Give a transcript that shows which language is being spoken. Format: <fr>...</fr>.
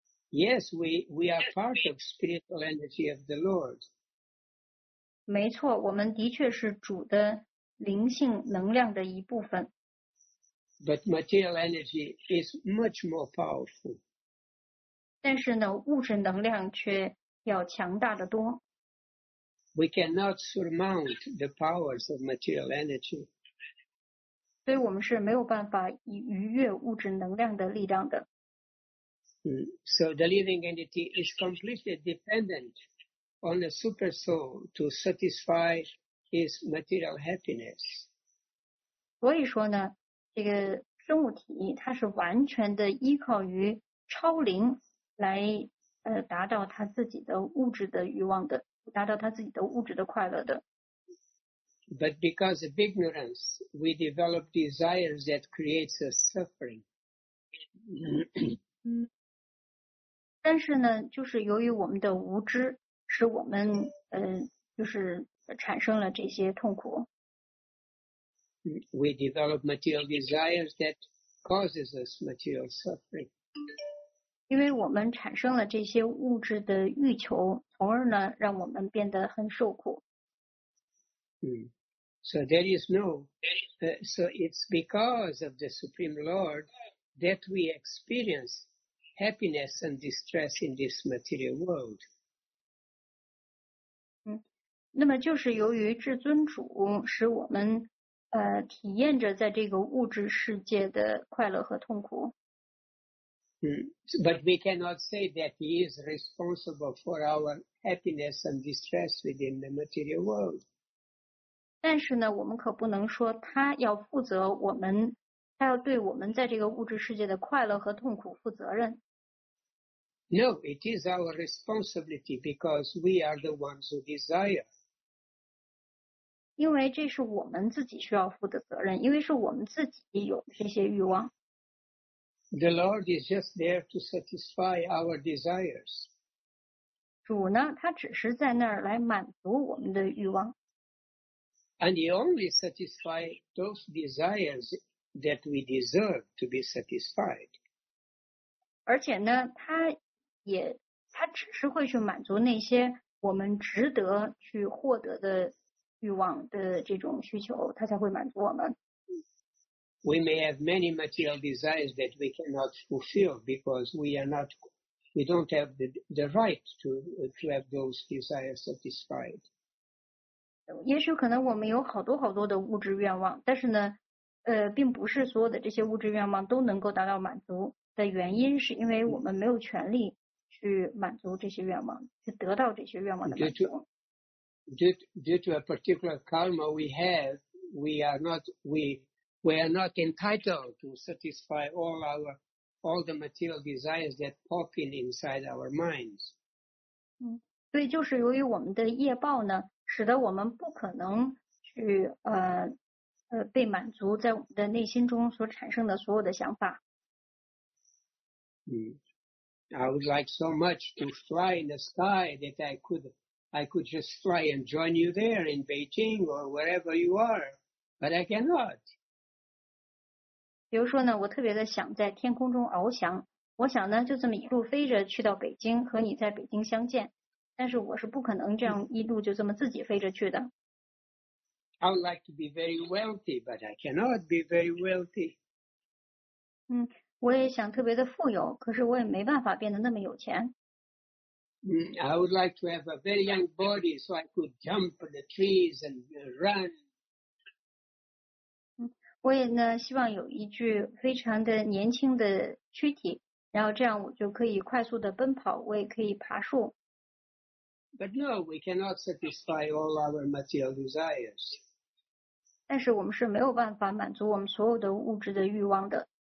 <en>Yes, we are part of spiritual energy of the Lord.</en> <zh>没错，我们的确是主的灵性能量的一部分。</zh> <en>But material energy is much more powerful.</en> <zh>但是呢，物质能量却要强大的多。</zh> <en>We cannot surmount the powers of material energy.</en> <zh>所以我们是没有办法逾越物质能量的力量的。</zh> <en>So the living entity is completely dependent. On the super soul to satisfy his material happiness.</en> <zh>所以说呢，这个生物体它是完全的依靠于超灵来达到他自己的物质的欲望的，达到他自己的物质的快乐的。</zh> <en>But because of ignorance, we develop desires that creates us suffering.</en> <zh>但是呢，就是由于我们的无知，使我们就是产生了这些痛苦。</zh> <en>We develop material desires that causes us material suffering.</en> <zh>因为我们产生了这些物质的欲求，从而呢，让我们变得很受苦。</zh> <en>So there is no, so it's because of the Supreme Lord that we experience happiness and distress in this material world.</en> <zh>那么就是由于至尊主使我们体验着在这个物质世界的快乐和痛苦。</zh> <en>But we cannot say that he is responsible for our happiness and distress within the material world.</en> <zh>但是呢，我们可不能说他要负责我们，他要对我们在这个物质世界的快乐和痛苦负责任。</zh> <en>No, it is our responsibility because we are the ones who desire.</en> <zh>因为这是我们自己需要负的责任，因为是我们自己有这些欲望。</zh> <en>The Lord is just there to satisfy our desires.</en> <zh>主呢，他只是在那儿来满足我们的欲望。</zh> <en>And he only satisfies those desires that we deserve to be satisfied.</en> <zh>而且呢，他只是会去满足那些我们值得去获得的欲望的这种需求，他才会满足我们。</zh> <en>We may have many material desires that we cannot fulfill because we don't have the right to have those desires satisfied.</en> <zh>也许可能我们有好多好多的物质愿望，但是呢，并不是所有的这些物质愿望都能够达到满足的原因，是因为我们没有权利去满足这些愿望，去得到这些愿望的满足。</zh> <en>Due to a particular karma we have, we are not entitled to satisfy all the material desires that pop in inside our minds.</en> <zh>所以就是由于我们的业报呢，使得我们不可能去被满足在我们的内心中所产生的所有的想法。</zh> <en>I would like so much to fly in the sky that I could just fly and join you there in Beijing or wherever you are, but I cannot.</en> <zh>比如说呢，我特别的想在天空中翱翔，我想呢就这么一路飞着去到北京和你在北京相见，但是我是不可能这样一路就这么自己飞着去的。</zh> <en>I would like to be very wealthy, but I cannot be very wealthy.</en> <zh>我也想特别的富有，可是我也没办法变得那么有钱。</zh> <en>I would like to have a very young body so I could jump the trees and run.</en> <zh>我也呢希望有一具非常的年轻的躯体，然后这样我就可以快速的奔跑，我也可以爬树。</zh> <en>But no, we cannot satisfy all our material desires.</en> <zh>但是我们是没有办法满足我们所有的物质的欲望的。</zh>